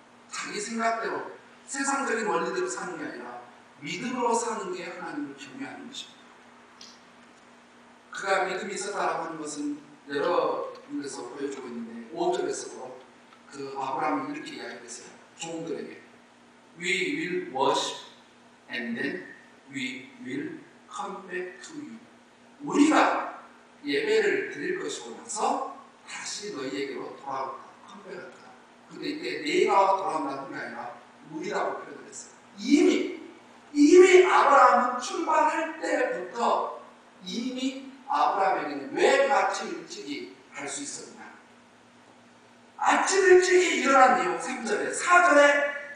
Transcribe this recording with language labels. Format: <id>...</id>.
<ko>자기 생각대로 세상적인 원리대로 사는 게 아니라 믿음으로 사는 게 하나님을 경외하는 것입니다. 그가 믿음이 있었다라고 하는 것은 여러 군데서 보여주고 있는데 5절에서도 그 아브라함이 이렇게 이야기했어요. 종들에게</ko> <en>We will worship and then we will come back to you.</en> <ko>우리가 예배를 드릴 것이고 나서 다시 너희에게로 돌아온다. 컴백한다. 근데 이때 내가 돌아온다는 게 아니라 우리라고 표현을 했어요. 이미 아브라함은 출발할 때부터 이미 아브라함에게는 왜 아침 일찍이 갈 수 있었냐. 아침 일찍이 일어난 이유 3절에 4절에</ko>